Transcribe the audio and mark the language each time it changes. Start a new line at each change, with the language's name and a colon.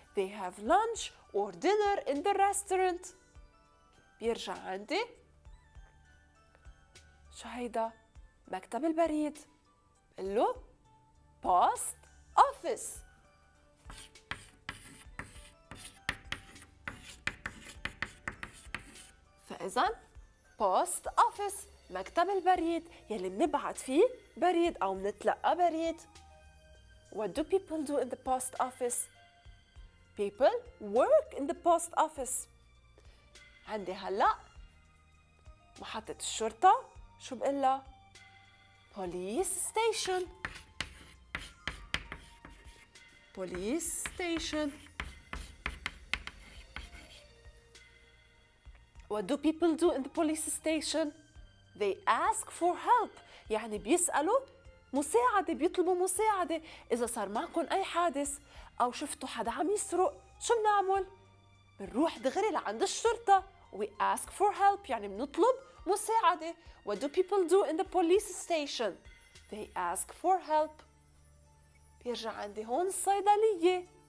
English: They have lunch or dinner in the restaurant.
Arabic: بيرجع عندي شو هيدا؟ مكتب البريد.
English: بقله post office.
Arabic: فإذا post office مكتب البريد يلي منبعت فيه بريد أو منتلقى بريد.
English: What do people do in the post office? People work in the post office. عندي هلأ محطة الشرطة.
Arabic: شو بقلها؟ police station.
English: police station. What do people do in the police station? They ask for help. يعني بيسألوا مساعدة.
Arabic: بيطلبوا مساعدة. إذا صار معكم أي حادث أو شفتوا حدا عم يسرق شو بنعمل؟ بنروح دغري لعند الشرطة.
English: We ask for help. يعني بنطلب مساعدة. What do people do in the police station? They ask for help.
Arabic: بيرجع عندي هون الصيدلية.